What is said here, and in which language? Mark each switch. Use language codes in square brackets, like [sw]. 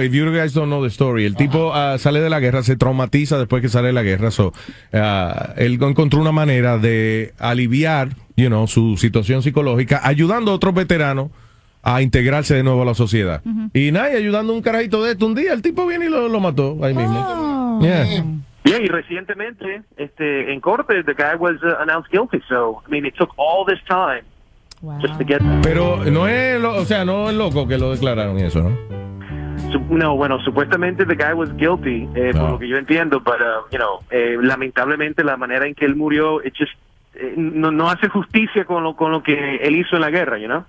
[en] If you guys don't know the story, [es] el tipo sale de la guerra, se traumatiza después que sale de la guerra, él encontró una manera de aliviar su situación psicológica ayudando a otros veteranos a integrarse de nuevo a la sociedad. Uh-huh. Y ayudando un carajito de esto, un día el tipo viene y lo mató ahí mismo. Y recientemente en corte [en] the guy was announced guilty, so I mean it took all this time. Wow. Just to get that. [es] Pero no es loco que lo declararon eso, ¿no? Supuestamente [en] the guy was guilty, [es] por lo que yo entiendo, pero lamentablemente la manera en que él murió, [en] it just [es] no hace justicia con lo que él hizo en la guerra, you know.